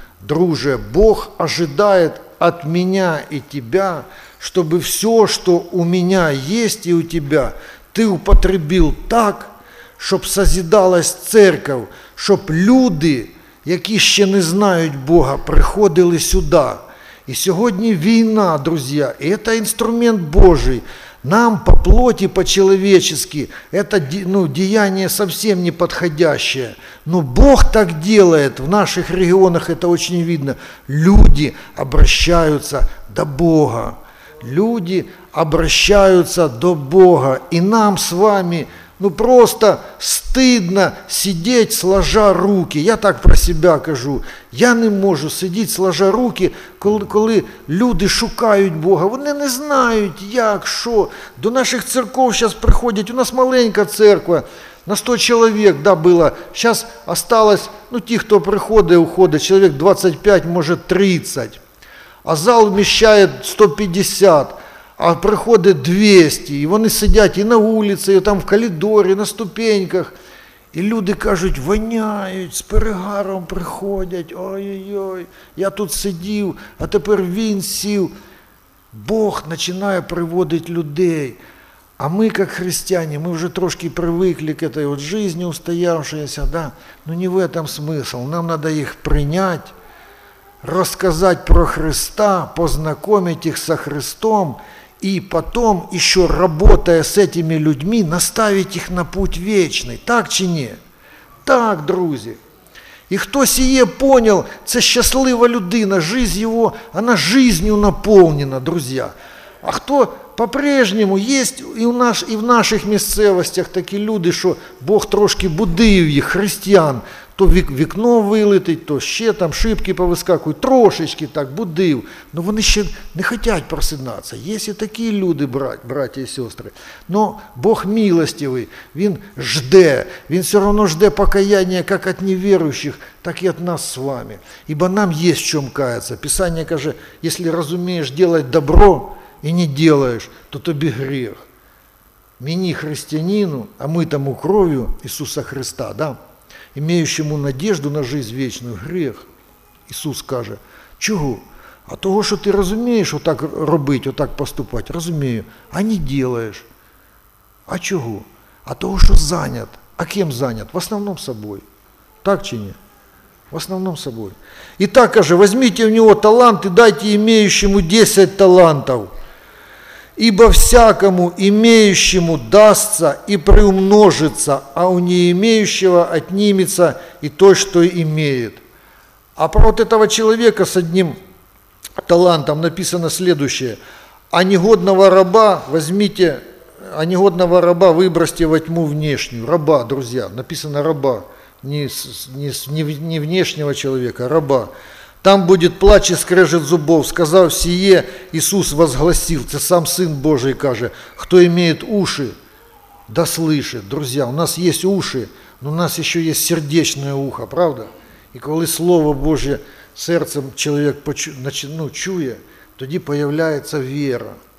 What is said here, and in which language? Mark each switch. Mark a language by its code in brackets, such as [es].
[ru] Друже, Бог ожидает от меня и тебя, чтобы все, что у меня есть и у тебя, ты употребил так, чтобы созидалась церковь, чтобы люди, [uk] які ще не знають Бога, приходили сюди. І сьогодні війна, друзі, і це інструмент Божий. Нам по плоті, по-человечески, це ну, діяння зовсім не підходяще. Но Бог так робить, в наших регіонах це дуже видно. Люди обращаються до Бога. Люди обращаються до Бога. І нам з вами... [ru] Ну просто стыдно сидеть сложа руки. Я так про себя [uk] кажу. Я не можу [ru] сидеть сложа руки, [uk] коли люди шукають Бога. Вони не знають, як, що. До наших церков [ru] сейчас [uk] приходять. У нас маленька церква. На 100 чоловік, да, було. Сейчас осталось, ну ті, хто приходить, уходить. Чоловік 25, може 30. А зал вміщає 150. А приходить 200, і вони сидять і на вулиці, і там в коридорі, на ступеньках. І люди кажуть, воняють, з перегаром приходять, ой-ой-ой, я тут сидів, а тепер він сів. Бог починає приводити людей. А ми, як християни, ми вже трошки привикли [ru] к этой от жизни устоявшейся, [uk] да? [ru] Ну не в этом смысл, [uk] нам треба їх прийняти, розказати про Христа, познайомити їх со Христом, [ru] и потом, еще работая с этими людьми, наставить их на путь вечный. [uk] Так чи не? Так, друзі. [ru] И кто сие понял, [uk] це счастлива людина, [ru] жизнь его, она жизнью наполнена, друзья. [uk] А кто по-прежнему есть и, у нас, и в наших місцевостях такі люди, що Бог трошки будив їх, християн, то вікно вилетить, то ще там шибки повискакують, трошечки так будив, но вони ще не хочуть просинатися. Є і такі люди, браті і сестри. Но Бог милостивий, він жде, він все одно жде покаяння як від невіруючих, так і від нас з вами. Ібо нам є в чому каятися. Писання каже, якщо розумієш робити добро і не робиш, то тобі гріх. Мені, християнину, а ми тому кров'ю Ісуса Христа, да? [ru] Имеющему надежду на жизнь вечную, грех. [uk] Иисус каже, чого? А того, що ти розумієш отак робити, отак поступати, розумію, а не делаєш. А чого? А того, що зайнят. А ким зайнят? В основному собою. Так чи ні? В основному собою. І так каже, візьміть у нього талант і дайте имеющему 10 талантів. [ru] Ибо всякому имеющему дастся и приумножится, а у неимеющего отнимется и то, что имеет. А про вот этого человека с одним талантом написано следующее. А негодного раба возьмите, а негодного раба выбросьте во тьму внешнюю. Раба, друзья, написано раба, не внешнего человека, раба. [uk] Там буде плач і скрежет зубов, сказав сіє, Ісус возгласив, це сам Син Божий каже, хто має уші, [ru] да слышит. [uk] Друзі, у нас є уші, але у нас ще є сердечне ухо, правда? І коли Слово Боже серцем чоловік чує, тоді появляється віра.